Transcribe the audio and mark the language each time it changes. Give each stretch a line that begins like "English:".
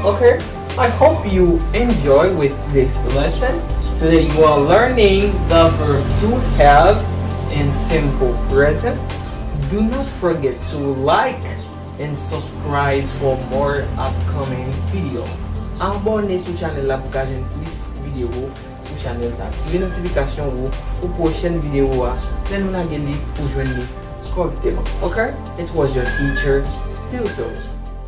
English: Okay, I hope you enjoy with this lesson. Today you are learning the verb to have in simple present. Do not forget to like and subscribe for more upcoming video.
French: Abonnez sur channel la pour gagner plus vidéo sur channel ça. Activez la notification pour prochaine vidéo.
English: Then we'll get you to join me. Okay? It was your teacher. See you soon.